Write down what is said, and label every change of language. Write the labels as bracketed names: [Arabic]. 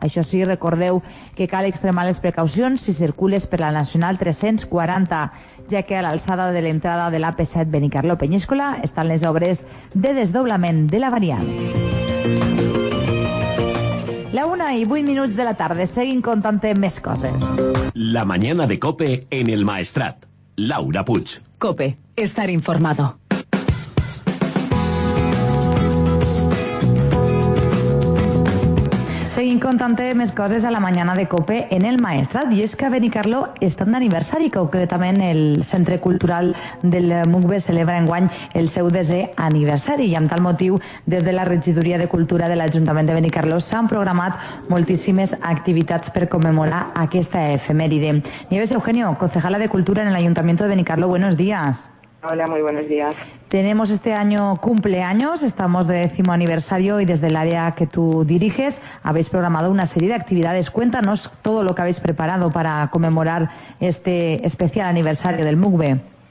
[Catalan] Això sí, recordeu que cal extremar les precaucions si circules per la Nacional 340, ja que a l'alçada de l'entrada de l'AP7 Benicarló-Peníscola estan les obres de desdoblament de la variant. La 1:08 de la tarda. Seguim contant més coses. [Spanish] La mañana de COPE en el Maestrat. Laura Puig. COPE. Estar informado. [Catalan] Seguim contant més coses a la mañana de COPE en el Maestrat. I és que a Benicarló estan d'aniversari. Concretament, el Centre Cultural del MUGBE celebra enguany el seu desè aniversari. I amb tal motiu, des de la Regidoria de Cultura de l'Ajuntament de Benicarló s'han programat moltíssimes activitats per commemorar aquesta efemèride. [Spanish] Nieves Eugenio, concejala de Cultura en el Ayuntamiento de Benicarló. Buenos días. Hola, muy buenos días. Tenemos este año cumpleaños, estamos de 10º aniversario y desde el área que tú diriges habéis programado una serie de actividades. Cuéntanos todo lo que habéis preparado para conmemorar este especial aniversario del MUGBE.